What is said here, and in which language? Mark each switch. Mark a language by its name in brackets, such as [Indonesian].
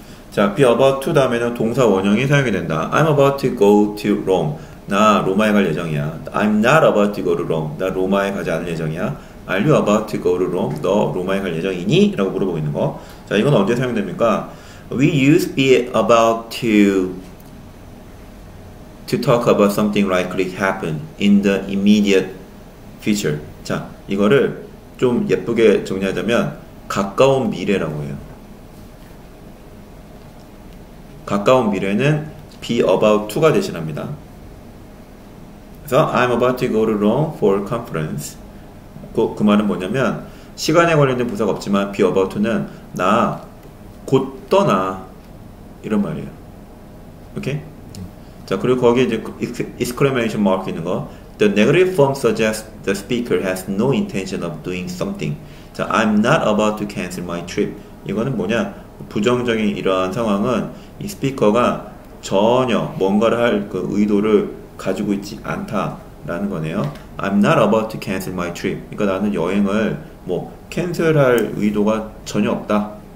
[English] 자, be about to [Korean] 다음에는 동사 원형이 사용이 된다. [English] I'm about to go to Rome. [Korean] 나 로마에 갈 예정이야. [English] I'm not about to go to Rome. [Korean] 나 로마에 가지 않을 예정이야. [English] Are you about to go to Rome? [Korean] 너 로마에 갈 예정이니? 라고 물어보고 있는 거. 자, 이건 언제 사용됩니까? [English] We use be about to talk about something likely to happen in the immediate future. [Korean] 자, 이거를 좀 예쁘게 정리하자면 가까운 미래라고 해요. 가까운 미래는 be about to가 대신합니다. [English] So I'm about to go to Rome for conference. [Korean] 그 말은 뭐냐면 시간에 관련된 부사가 없지만 be about to는 나 곧 떠나 이런 말이에요. 오케이? 자, 그리고 거기에 이제 exclamation mark 있는 거. [English] The negative form suggests the speaker has no intention of doing something. 자, I'm not about to cancel my trip. [Korean] 이거는 뭐냐? 부정적인 이러한 상황은 이 스피커가 전혀 뭔가를 할 그 의도를 가지고 있지 않다라는 거네요. [English] I'm not about to cancel my trip. [Korean] 그러니까 나는 여행을 뭐 캔슬할 의도가 전혀 없다.